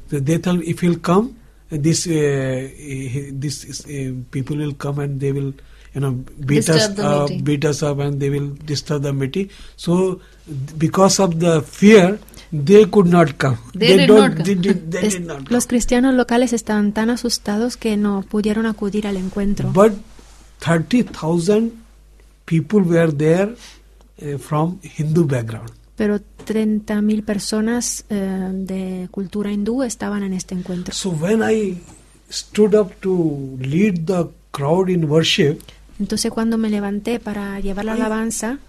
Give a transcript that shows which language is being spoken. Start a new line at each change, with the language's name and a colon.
English: So they told, if he'll come, this people will come and they will. You know, beat us up and they will disturb the meeting. So, because of the fear, they could not come. They did not come.
Spanish: Los cristianos locales estaban tan asustados que no pudieron acudir al encuentro.
English: But 30,000 people were there from Hindu background.
Spanish: Pero 30,000 personas de cultura hindú estaban en este encuentro.
English: So, when I stood up to lead the crowd in worship,
Spanish: entonces cuando me levanté para llevar la alabanza,